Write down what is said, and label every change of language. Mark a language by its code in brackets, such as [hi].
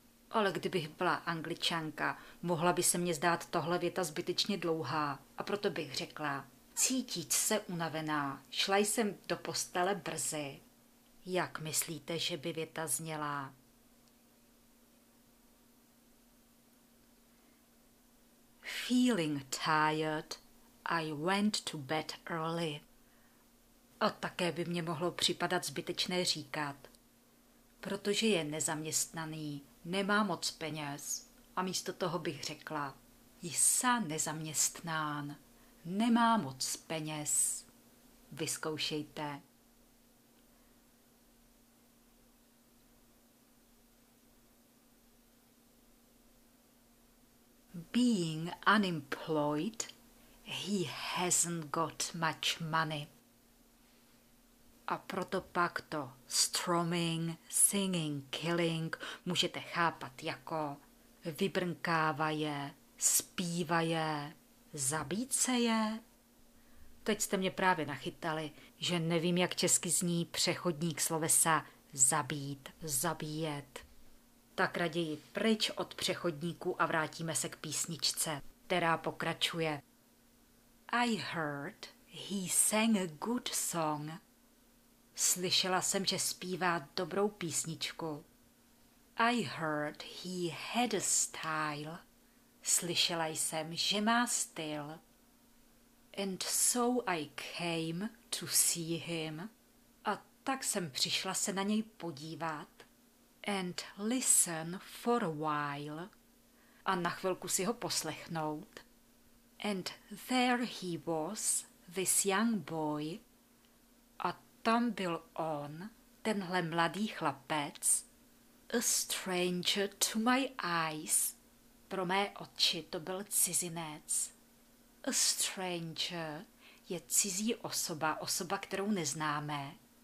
[cs] Ale kdybych byla Angličanka, mohla by se mně zdát tohle věta zbytečně dlouhá a proto bych řekla, cítit se unavená, šla jsem do postele brzy. Jak myslíte, že by věta zněla? [en] Feeling tired, I went to bed early. [cs] A také by mě mohlo připadat zbytečné říkat. Protože je nezaměstnaný, nemá moc peněz. A místo toho bych řekla, jsa nezaměstnán, nemá moc peněz. Vyzkoušejte. [en] Being unemployed, he hasn't got much money. [cs] A proto pak to strumming, singing, killing můžete chápat jako vybrnkávaje, zpívaje, zabíceje. Teď jste mě právě nachytali, že nevím, jak česky zní přechodník slovesa zabít, zabíjet. Tak raději pryč od přechodníků a vrátíme se k písničce, která pokračuje. [en] I heard he sang a good song. [cs] Slyšela jsem, že zpívá dobrou písničku. [en] I heard he had a style. [cs] Slyšela jsem, že má styl. [en] And so I came to see him. [cs] A tak jsem přišla se na něj podívat. [en] And listen for a while. [cs] A na chvilku si ho poslechnout. [en] And there he was, this young boy. [cs] A tam byl on, tenhle mladý chlapec. [en] A stranger to my eyes. [cs] Pro mé oči to byl cizinec. A stranger je cizí osoba, osoba, kterou neznáme.